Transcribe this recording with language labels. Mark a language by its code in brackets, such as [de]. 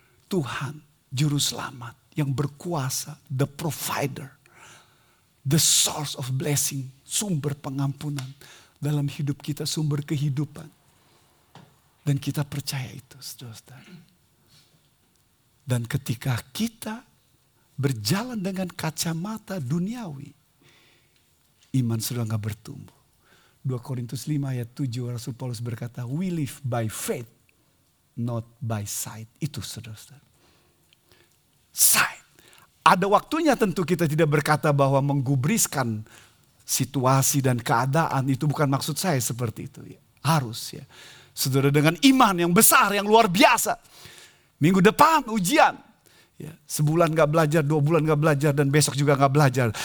[id] Tuhan Juru Selamat yang berkuasa, [en] the provider, the source of blessing, [id] sumber pengampunan dalam hidup kita, sumber kehidupan. Dan kita percaya itu, saudara-saudara. Dan ketika kita berjalan dengan kacamata duniawi, iman sudah gak bertumbuh. 2 Korintus 5 ayat 7, Rasul Paulus berkata, [en] we live by faith, not by sight. [id] Itu saudara-saudara. Sight. Ada waktunya tentu kita tidak berkata bahwa menggubriskan situasi dan keadaan. Itu bukan maksud saya seperti itu. Ya. Harus ya. Saudara dengan iman yang besar, yang luar biasa. Minggu depan ujian. Ya, sebulan gak belajar, dua bulan gak belajar, dan besok juga gak belajar.